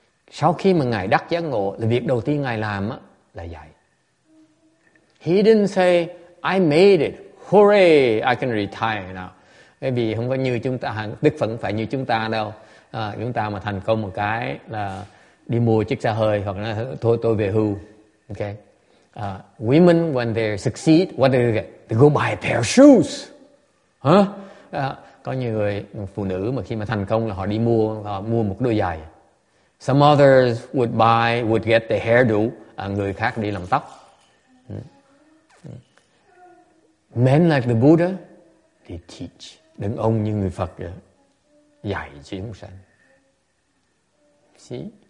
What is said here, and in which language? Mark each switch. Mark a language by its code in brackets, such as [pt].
[vi] Sau khi mà ngài đắc giác ngộ, là việc đầu tiên ngài làm là dạy. [en] He didn't say, I made it, hooray, I can retire now. [vi] Bởi vì không có như chúng ta, Đức Phật phải như chúng ta đâu. Chúng ta mà thành công một cái là đi mua chiếc xe hơi hoặc là thôi tôi về hưu. [en] Okay. Women, when they succeed, what do they get? They go buy a pair of shoes. Huh? [vi] Có nhiều người, phụ nữ mà khi mà thành công là họ đi mua, họ mua một đôi giày. [en] Some others would get the hairdo, [vi] người khác đi làm tóc. [en] Men like the Buddha, they teach. [vi] Đàn ông như người Phật vậy, dạy cho chúng sanh. See?